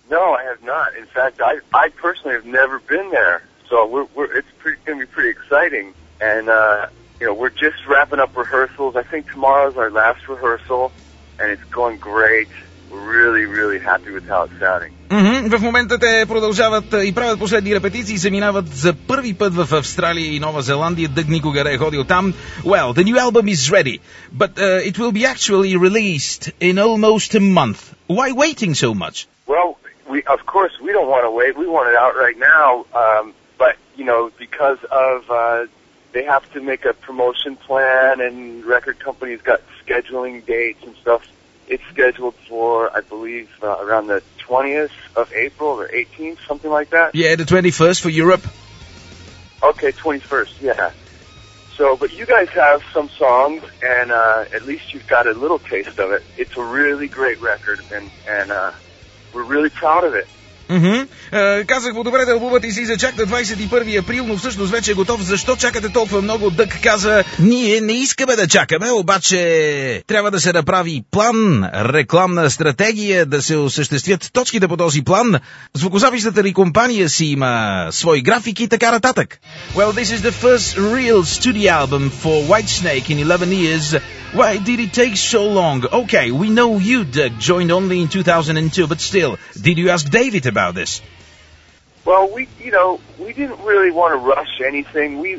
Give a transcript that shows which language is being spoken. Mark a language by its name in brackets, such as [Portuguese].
[English] No, I have not. In fact, I personally have never been there. So it's going to be pretty exciting. And, we're just wrapping up rehearsals. I think tomorrow's our last rehearsal, and it's going great. We're really, really happy with how it's sounding. Mm-hmm. [Bulgarian] В момента те продължават и правят последни репетиции и се минават за първи път в Австралия и Нова Зеландия. Дъг никога не е ходил там. [English] Well, the new album is ready, but it will be actually released in almost a month. Why waiting so much? Well, we don't want to wait. We want it out right now. But, because of they have to make a promotion plan and record companies got scheduling dates and stuff. It's scheduled for, I believe, around the 20th of April or 18th, something like that. Yeah, the 21st for Europe. Okay, 21st, yeah. So, but you guys have some songs, and at least you've got a little taste of it. It's a really great record, and we're really proud of it. Mm-hmm. [Bulgarian] Казах му, добре, албумът излиза чак на 21 април, но всъщност вече е готов. Защо чакате толкова много? Дък каза, ние не искаме да чакаме, обаче трябва да се направи план, рекламна стратегия, да се осъществят точките по този план. Звукозаписната ли компания си има свои графики и така нататък. [English] Well, this is the first real studio album for Whitesnake in 11 years. Why did it take so long? Okay, we know you, Doug, joined only in 2002, but still, did you ask David about this? Well, we didn't really want to rush anything.